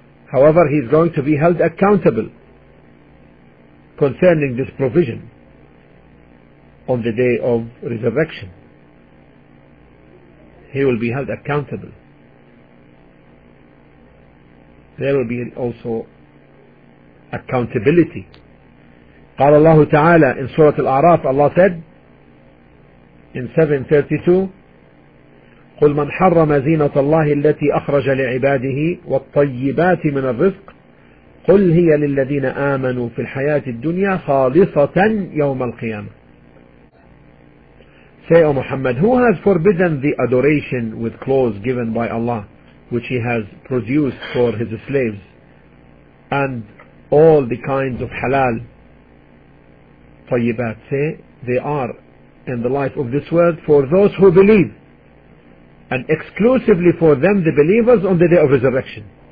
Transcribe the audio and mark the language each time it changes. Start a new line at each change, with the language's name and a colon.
English: However, he is going to be held accountable concerning this provision on the day of resurrection. He will be held accountable. There will be also accountability.
Arabic: قال الله تعالى
English: in Surah Al-A'raf, Allah said in 7:32,
Arabic: قل من حرم زينة الله التي أخرج لعباده والطيبات من الرزق قل هي للذين آمنوا في الحياة الدنيا خالصة يوم القيامة.
English: Say, O Muhammad, who has forbidden the adoration with clothes given by Allah, which he has produced for his slaves, and all the kinds of halal طيبات. Say, they are in the life of this world for those who believe, and exclusively for them, the believers, on the day of resurrection.